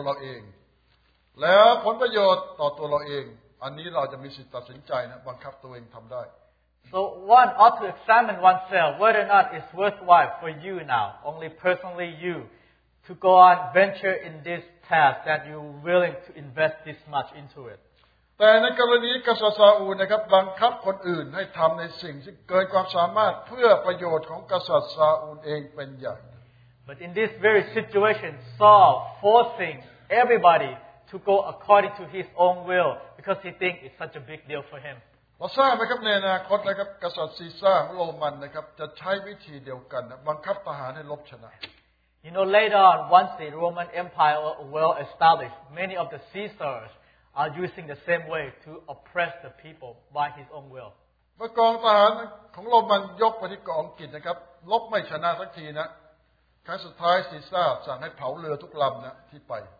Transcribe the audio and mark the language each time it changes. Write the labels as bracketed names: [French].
[Thai] ฉะนั้นบ่อยครั้งนะผมคิดว่าเราต้องตัดสินใจนะครับว่าถ้าเราลงทุนด้วยตัวเราเองแล้วผลประโยชน์ต่อตัวเราเองอันนี้เราจะมีสิทธิ์ตัดสินใจนะบังคับตัวเองทำได้ [English] So one ought to examine oneself whether or not it's worthwhile for you now, only personally you, to go on venture in this task that you're willing to invest this much into it. [Thai] แต่ในกรณีกษัตริย์ซาอูลนะครับบังคับคนอื่นให้ทำในสิ่งที่เกินความสามารถเพื่อประโยชน์ของกษัตริย์ซาอูลเองเป็นใหญ่ [English] But in this very situation, Saul forcing everybody to go according to his own will because he think it's such a big deal for him. [Thai] เราทราบไหมครับในอนาคตนะครับกษัตริย์ซีซาร์โรมันนะครับจะใช้วิธีเดียวกันบังคับทหารให้รบชนะ [English] You know, later on, once the Roman Empire was well established, many of the Caesars. Are using the same way to oppress the people by his own will. [Thai] เมื่อกองทหารของโรมันยกไปที่กองอังกฤษนะครับลบไม่ชนะสักทีนะครั้งสุดท้ายซีซาร์สั่งให้เผาเรือทุกลำนะที่ไป